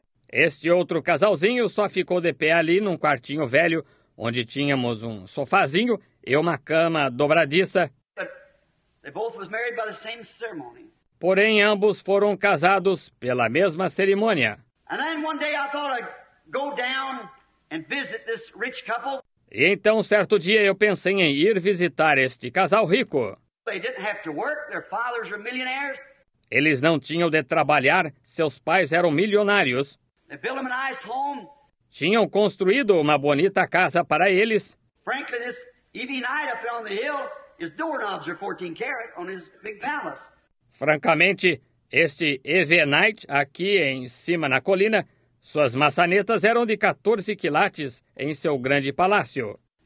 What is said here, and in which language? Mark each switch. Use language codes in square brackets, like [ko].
[pt] Este outro casalzinho só ficou de pé ali num quartinho velho, onde tínhamos um sofazinho e uma cama dobradiça. [en] They both was married by the same ceremony. [pt] Porém, ambos foram casados pela mesma cerimônia. [en] And then one day I thought I'd go down and visit this rich couple. [pt] E então, certo dia, eu pensei em ir visitar este casal rico. [en] They didn't have to work. Their fathers were millionaires. [pt] Eles não tinham de trabalhar, seus pais eram milionários. [en] They built them a nice home. [pt] Tinham construído uma bonita casa para eles. [en] Frankly, this E.V. Knight up on the hill, his doorknobs are 14 carat on his big palace. [pt] Francamente, este E.V. Knight aqui em cima na colina... Suas maçanetas eram de 14 quilates em seu grande palácio.